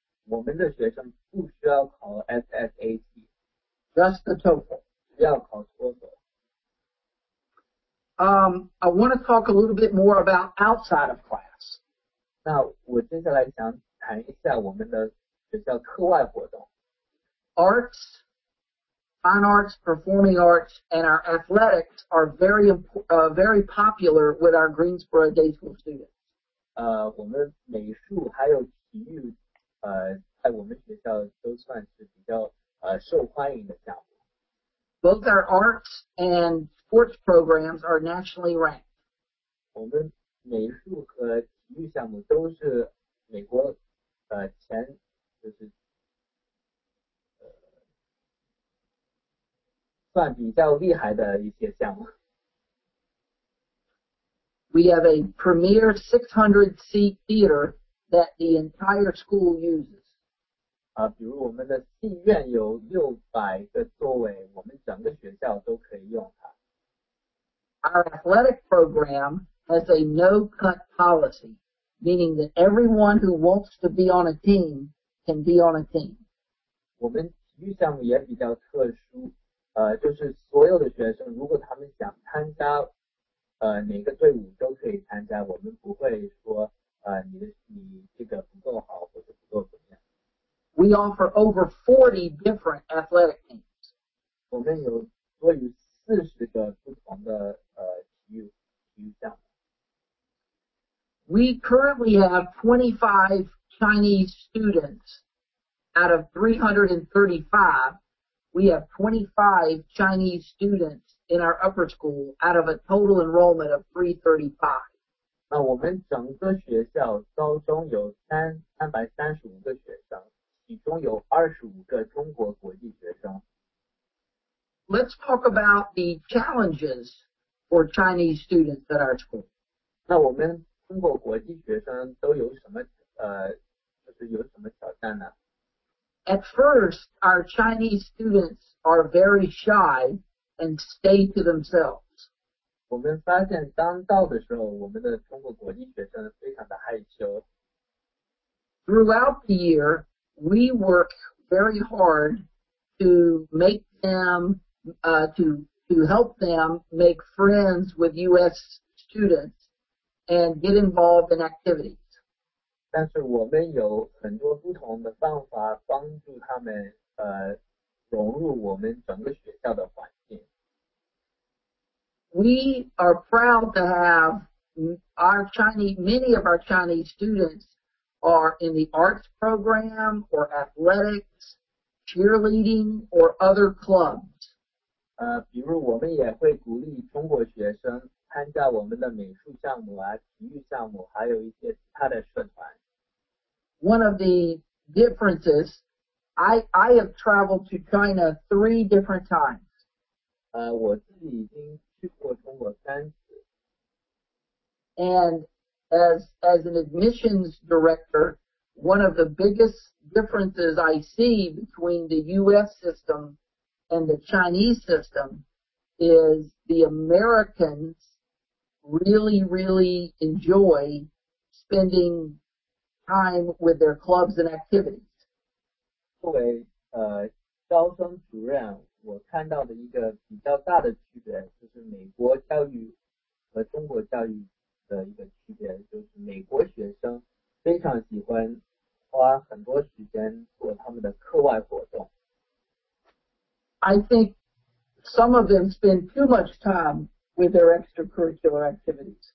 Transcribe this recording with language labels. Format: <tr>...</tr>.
<zh>我们的学生不需要考 SSAT.</zh> <en>Just the TOEFL.</en> <zh>只要考托福。</zh> <en>I want to talk a little bit more about outside of class.</en> <zh>那我接下来想谈一下我们的学校课外活动。</zh> <en>Arts, fine arts, performing arts, and our athletics are very, very popular with our Greensboro Day School students.</en> <zh>我们美术还有体育，在我们学校都算是比较受欢迎的项目。</zh> <en>Both our arts and sports programs are nationally ranked.</en> <zh>我们美术和体育项目都是美国前就是算比较厉害的一些项目。</zh> <en>We have a premier 600 seat theater that the entire school uses.</en> <zh>比如我们的戏院有600个座位，我们整个学校都可以用它。</zh> <en>Our athletic program has a no-cut policy, meaning that everyone who wants to be on a team can be on a team.</en> <zh>我们体育项目也比较特殊，就是所有的学生如果他们想参加，哪个队伍都可以参加，我们不会说，你这个不够好或者不够怎么样。</zh> <en>We offer over 40 different athletic teams.</en> <zh>我们有多于40个不同的体育项目。</zh> <en>We currently have 25 Chinese students out of 335. We have 25 Chinese students in our upper school out of a total enrollment of 335.</en> <zh>那我们整个学校高中有335个学生。其中有25个中国国际学生。</zh> <en>Let's talk about the challenges for Chinese students at our school.</en> <zh>那我们中国国际学生都有什么就是有什么挑战呢？</zh> <en>At first, our Chinese students are very shy and stay to themselves.</en> <zh>我们发现当到的时候，我们的中国国际学生非常的害羞。</zh> <en>Throughout the year,We work very hard to make them, to help them make friends with U.S. students and get involved in activities.</en> <zh>但是我们有很多不同的方法帮助他们融入我们整个学校的环境。</zh> <en>We are proud to have many of our Chinese students. Are in the arts program or athletics, cheerleading or other clubs.</en> <zh>比如我们也会鼓励中国学生参加我们的美术项目啊，体育项目，还有一些其他的社团。</zh> <en>One of the differences, I have traveled to China 3 different times.</en> <zh>我自己已经去过中国三次。</zh> <en>And. As an admissions director, one of the biggest differences I see between the U.S. system and the Chinese system is the Americans really, really enjoy spending time with their clubs and activities.</en> <zh>作为招生主任，我看到的一个比较大的区别就是美国教育和中国教育。的一个区别就是美国学生非常喜欢花很多时间做他们的课外活动。</zh> <en>I think some of them spend too much time with their extracurricular activities.</en>